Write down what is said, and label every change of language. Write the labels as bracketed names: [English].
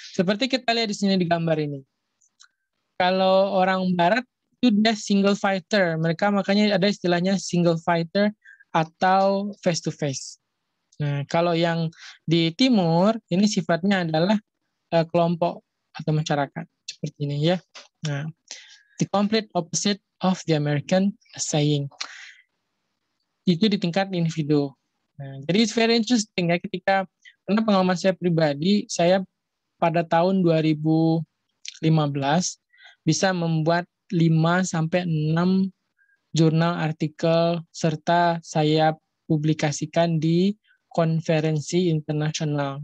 [Indonesian] Seperti kita lihat di sini di gambar ini. Kalau orang barat itu dia single fighter, mereka makanya ada istilahnya single fighter atau face to face. Nah, kalau yang di timur ini sifatnya adalah kelompok atau masyarakat seperti ini ya. [English] Nah, the complete opposite of the American saying. [Indonesian] Itu di tingkat individu. Nah, jadi [English] it's very interesting [Indonesian] ya ketika, karena pengalaman saya pribadi, saya pada tahun 2015 bisa membuat 5-6 jurnal artikel serta saya publikasikan di konferensi internasional.